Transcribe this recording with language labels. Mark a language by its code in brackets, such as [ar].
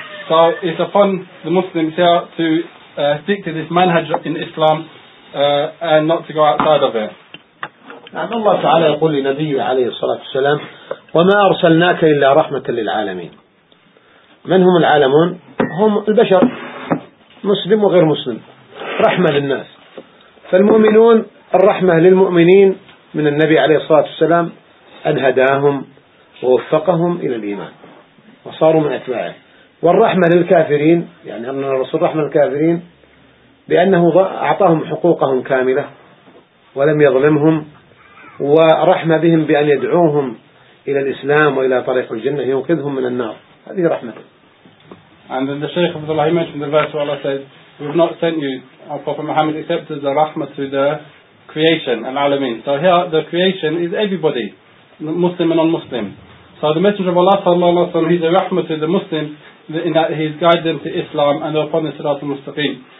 [en] So it's upon the Muslims here to stick to this manhaj in Islam and not to go outside of it. [ar] نعم الله تعالى يقول لنبيه عليه الصلاة والسلام وما أرسلناك إلا رحمة للعالمين. من هم العالمون؟ هم البشر, مسلم وغير مسلم, رحمة للناس. فالمؤمنون الرحمة للمؤمنين من النبي عليه الصلاة والسلام, أن هداهم ووفقهم إلى الإيمان وصاروا من أتباعه. والرحمة للكافرين, يعني أن الرسول رحمة للكافرين بأنه أعطاهم حقوقهم كاملة ولم يظلمهم, ورحمة بهم بأن يدعوهم إلى الإسلام وإلى طريق الجنة ينقذهم من النار, هذه رحمة. [en] And then the Shaykh of Allah, he mentioned the verse where Allah said, we have not sent you, our Prophet Muhammad, except as a rahmah to the creation and alameen. So here the creation is everybody, Muslim and non-Muslim. So the Messenger of Allah sallallahu alayhi wa sallam, he's a rahmah to the Muslim in that he's guided them to Islam and they're upon the Sirat al-Mustaqim.